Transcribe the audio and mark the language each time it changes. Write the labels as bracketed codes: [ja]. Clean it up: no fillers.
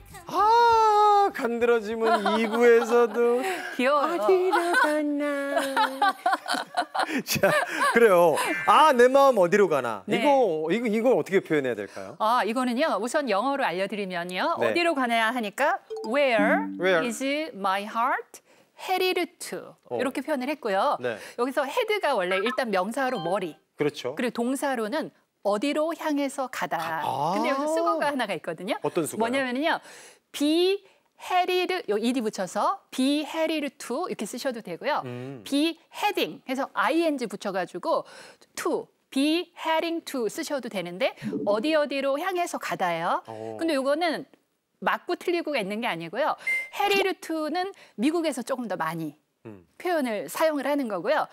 [ko] 아, 간드러짐은 2부에서도 귀여워요. 어디로 갔나. 자, 그래요. 아, 내 마음 어디로 가나. 네. 이걸 어떻게 표현해야 될까요? 아, 이거는요. 우선 영어로 알려드리면요. 네. [en] 어디로 가냐 하니까 Where is my heart headed to? [ko] 이렇게 표현을 했고요. 네. 여기서 head가 원래 일단 명사로 머리. 그렇죠. 그리고 동사로는 어디로 향해서 가다. 아~ 근데 여기서 수거가 하나가 있거든요. 어떤 수거? 뭐냐면요. be headed, 요 ed 붙여서 [en] be headed to [ko] 이렇게 쓰셔도 되고요. be heading 해서 ing 붙여가지고 to, [en] be heading to [ko] 쓰셔도 되는데 어디 어디로 향해서 가다예요. 근데 요거는 맞고 틀리고가 있는 게 아니고요. headed to는 미국에서 조금 더 많이 표현을 사용을 하는 거고요.